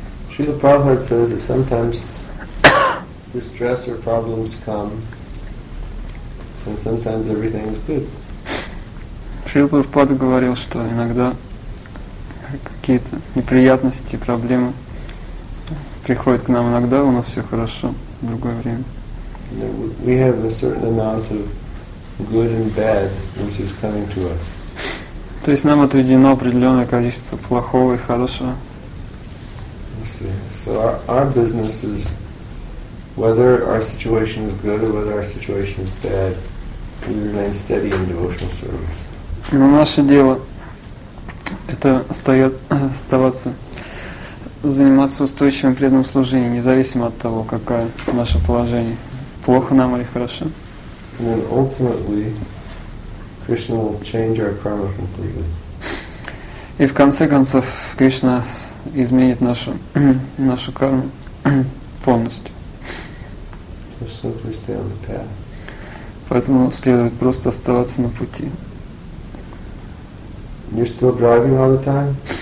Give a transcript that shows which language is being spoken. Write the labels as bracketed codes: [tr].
[en] Srila Prabhupada says that sometimes distress or problems come. And sometimes everything is good. [ru] Шрила Прабхупада говорил, что иногда какие-то неприятности, проблемы приходят к нам, иногда у нас все хорошо, в другое время. [en] We have a certain amount of good and bad which is coming to us. [ru] То есть нам отведено определенное количество плохого и хорошего. [en] So our business is whether our situation is good or whether our situation is bad. We remain steady in devotional service. [ru] Но наше дело это оставаться, заниматься устойчивым преданным служением, независимо от того, какое наше положение, плохо нам или хорошо. [en] And then ultimately, Krishna will change our karma completely. [ru] И в конце концов Кришна изменит нашу карму полностью. [en] Just simply stay on the path. [ru] Поэтому следует просто оставаться на пути. [en] You're still driving all the time?